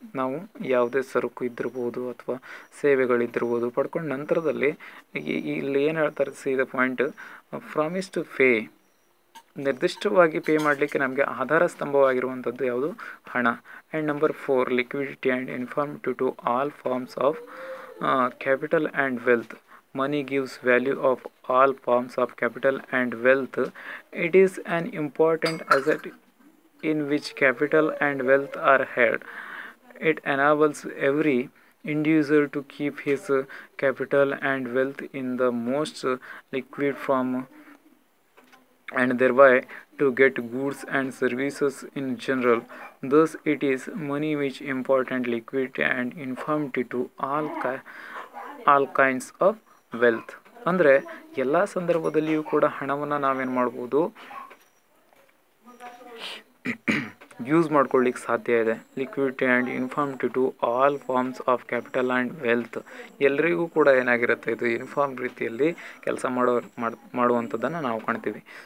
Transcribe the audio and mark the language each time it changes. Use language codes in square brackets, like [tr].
[kn] ನಾವು ಯಾವುದೇ ಸರಕು ಇದ್ದಿರ್ಬೋದು ಅಥವಾ ಸೇವೆಗಳಿದ್ದಿರ್ಬೋದು ಪಡ್ಕೊಂಡ ನಂತರದಲ್ಲಿ ಇಲ್ಲಿ ಏನು ಹೇಳ್ತಾರೆ, [en] see the point, promise to pay, [kn] ನಿರ್ದಿಷ್ಟವಾಗಿ ಪೇ ಮಾಡಲಿಕ್ಕೆ ನಮಗೆ ಆಧಾರ ಸ್ತಂಭವಾಗಿರುವಂಥದ್ದು ಯಾವುದು, ಹಣ. [en] And number four, liquidity and uniformity to all forms of capital and wealth. Money gives value of all forms of capital and wealth. It is an important asset in which capital and wealth are held. It enables every individual to keep his capital and wealth in the most liquid form and thereby to get goods and services in general. Thus, it is money which important liquidity and infirmity to all kinds of wealth. [kn] ಅಂದರೆ ಎಲ್ಲ ಸಂದರ್ಭದಲ್ಲಿಯೂ ಕೂಡ ಹಣವನ್ನು ನಾವೇನು ಮಾಡ್ಬೋದು use ಮಾಡ್ಕೊಳ್ಳಿಕ್ಕೆ ಸಾಧ್ಯ ಇದೆ. [en] Liquidity and uniformity to all forms of capital and wealth. [kn] ಎಲ್ಲರಿಗೂ ಕೂಡ ಏನಾಗಿರುತ್ತೆ, ಇದು ಇನ್ಫಾರ್ಮ್ ರೀತಿಯಲ್ಲಿ ಕೆಲಸ ಮಾಡುವಂಥದ್ದನ್ನು ನಾವು ಕಾಣ್ತೀವಿ.